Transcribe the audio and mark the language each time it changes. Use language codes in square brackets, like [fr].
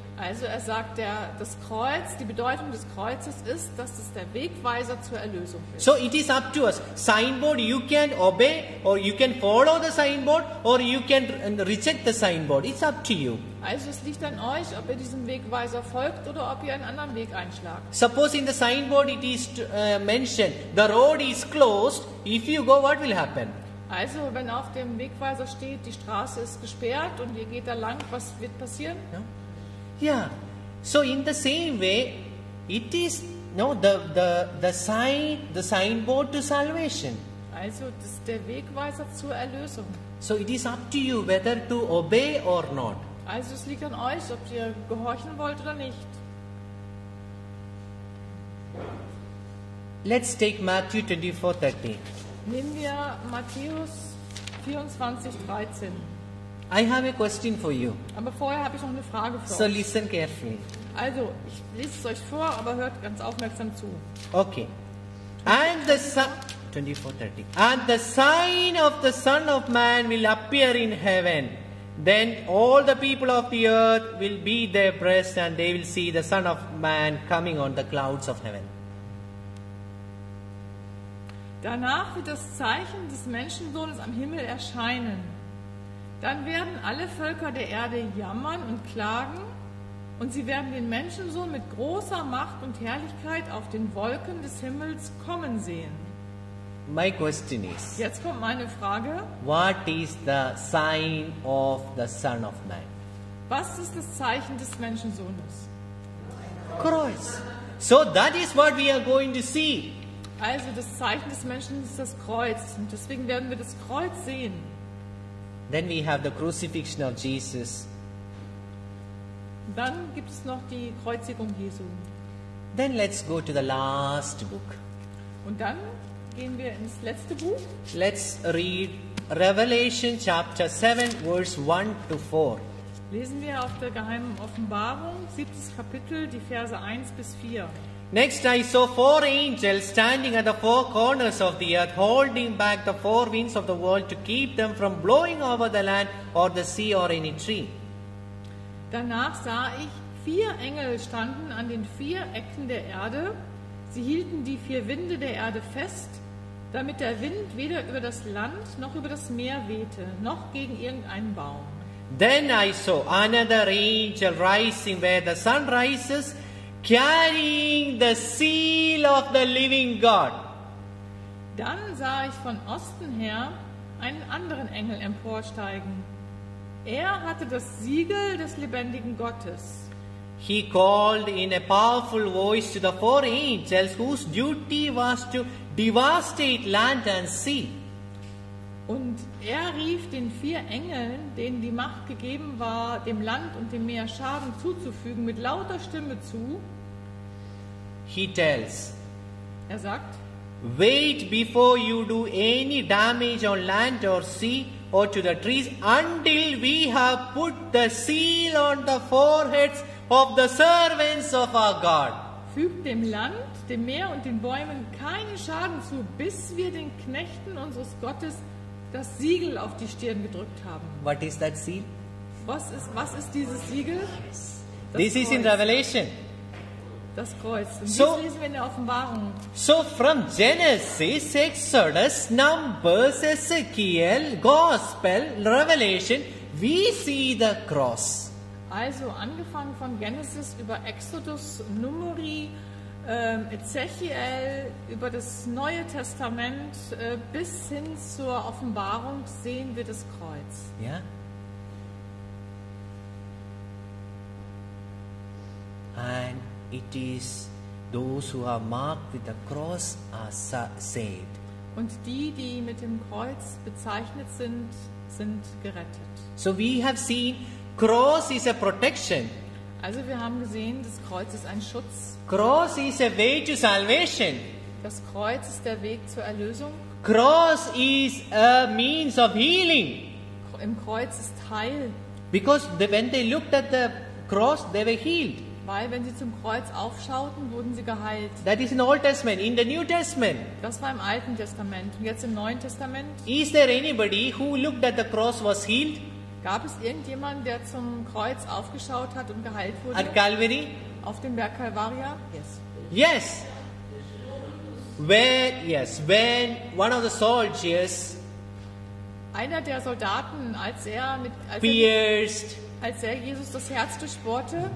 [de] Also er sagt, das Kreuz, die Bedeutung des Kreuzes ist, dass es der Wegweiser zur Erlösung ist. [en] So it is up to us. Signboard, you can obey or you can follow the signboard or you can reject the signboard. It's up to you. [de] Also es liegt an euch, ob ihr diesem Wegweiser folgt oder ob ihr einen anderen Weg einschlagt. [en] Suppose in the signboard it is mentioned, the road is closed. If you go, what will happen? [de] Also wenn auf dem Wegweiser steht, die Straße ist gesperrt und ihr geht da lang, was wird passieren? Ja. [en] Yeah, so in the same way, it is no the signboard to salvation. [de] Also, das ist der Wegweiser zur Erlösung. [en] So it is up to you whether to obey or not. [de] Also, es liegt an euch, ob ihr gehorchen wollt oder nicht. [en] Let's take Matthew 24:13. [de] Nehmen wir Matthäus 24:13. [en] I have a question for you. [de] Aber vorher habe ich noch eine Frage für [en] so [de] euch. [en] So listen carefully. [de] Also, ich lese es euch vor, aber hört ganz aufmerksam zu. [en] Okay. And the Son, 24:30. And the sign of the Son of Man will appear in heaven. Then all the people of the earth will be their breast and they will see the Son of Man coming on the clouds of heaven. [de] Danach wird das Zeichen des Menschensohnes am Himmel erscheinen. Dann werden alle Völker der Erde jammern und klagen, und sie werden den Menschensohn mit großer Macht und Herrlichkeit auf den Wolken des Himmels kommen sehen. [en] My question is, [de] jetzt kommt meine Frage. [en] What is the sign of the Son of Man? [de] Was ist das Zeichen des Menschensohnes? Kreuz. [en] So that is what we are going to see. [de] Also das Zeichen des Menschen ist das Kreuz, und deswegen werden wir das Kreuz sehen. [en] Then we have the crucifixion of Jesus. [de] Dann gibt es noch die Kreuzigung Jesu. [en] Then let's go to the last book. [de] Und dann gehen wir ins letzte Buch. [en] Let's read Revelation chapter 7 verse 1 to 4. [de] Lesen wir auf der geheimen Offenbarung, 7. Kapitel, die Verse 1 bis 4. [en] Next I saw four angels standing at the four corners of the earth, holding back the four winds of the world to keep them from blowing over the land or the sea or any tree. [de] Danach sah ich, vier Engel standen an den vier Ecken der Erde. Sie hielten die vier Winde der Erde fest, damit der Wind weder über das Land noch über das Meer wehte, noch gegen irgendeinen Baum. [en] Then I saw another angel rising where the sun rises, carrying the seal of the living God. [de] Dann sah ich von Osten her einen anderen Engel emporsteigen. Er hatte das Siegel des lebendigen Gottes. [en] He called in a powerful voice to the four angels whose duty was to devastate land and sea. [de] Und er rief den vier Engeln, denen die Macht gegeben war, dem Land und dem Meer Schaden zuzufügen, mit lauter Stimme zu. [en] He tells, [de] er sagt, [en] wait before you do any damage on land or sea or to the trees until we have put the seal on the foreheads of the servants of our God. [de] Fügt dem Land, dem Meer und den Bäumen keinen Schaden zu, bis wir den Knechten unseres Gottes das Siegel auf die Stirn gedrückt haben. [en] What is that seal? [de] Was ist dieses Siegel? [en] This is in Revelation. [de] Das Kreuz. Und so, dies lesen wir in der Offenbarung. [en] So from Genesis, Exodus, Numbers, Ezekiel, Gospel, Revelation, we see the cross. [de] Also angefangen von Genesis über Exodus, Numeri, Ezekiel, über das Neue Testament bis hin zur Offenbarung sehen wir das Kreuz. Ja. [en] Yeah. Ein It is those who are marked with the cross are saved. [de] Und die mit dem Kreuz bezeichnet sind, sind gerettet. [en] So we have seen cross is a protection. [de] Also wir haben gesehen, das Kreuz ist ein Schutz. [en] Cross is a way to salvation. [de] Das Kreuz ist der Weg zur Erlösung. [en] Cross is a means of healing. [de] Im Kreuz ist Heil. [en] Because when they looked at the cross, they were healed. [de] Weil wenn sie zum Kreuz aufschauten, wurden sie geheilt. [en] That is in Old Testament, in the New Testament. [de] Das war im Alten Testament und jetzt im Neuen Testament. [en] Is there anybody who looked at the cross was healed? [de] Gab es irgendjemand, der zum Kreuz aufgeschaut hat und geheilt wurde? [en] At Calvary? [de] Auf dem Berg Calvaria? [en] Yes. Yes. When one of the soldiers, [de] einer der Soldaten, als er Jesus das Herz durchbohrte,